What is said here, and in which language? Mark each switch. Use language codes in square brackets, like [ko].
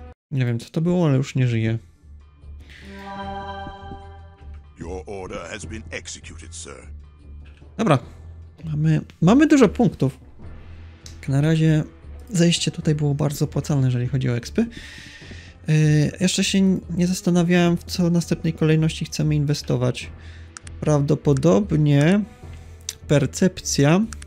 [pl] Nie wiem, co to było, ale już nie żyje. [en] Your order has been executed, sir. [pl] Dobra. Mamy dużo punktów. Tak na razie zejście tutaj było bardzo opłacalne, jeżeli chodzi o expy. Jeszcze się nie zastanawiałem, w co następnej kolejności chcemy inwestować. Prawdopodobnie percepcja.